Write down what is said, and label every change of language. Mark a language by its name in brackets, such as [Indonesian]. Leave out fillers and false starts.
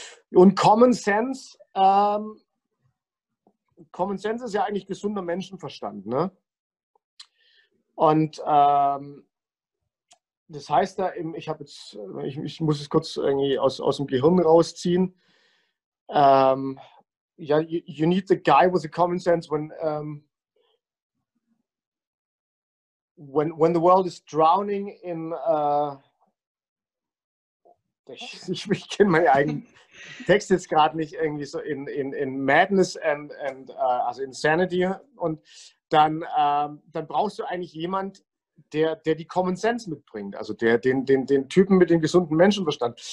[German] Und Common Sense ist ja eigentlich gesunder Menschenverstand, ne? Und das heißt da eben, ich muss es kurz irgendwie aus dem Gehirn rausziehen. [English] You need the guy with the common sense when the world is drowning in. [German] Ich kenne meinen eigenen Text jetzt gerade nicht, irgendwie so in Madness also Insanity, und dann brauchst du eigentlich jemand, der die Common Sense mitbringt, also den Typen mit dem gesunden Menschenverstand.